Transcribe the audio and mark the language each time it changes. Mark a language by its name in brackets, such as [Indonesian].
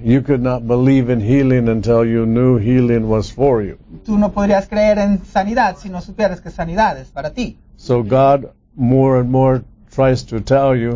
[English] You could not believe in healing until you knew healing was for you. [Spanish] Tú no podrías creer en sanidad si no supieras que sanidad es para ti. [English] So God more and more tries to tell you.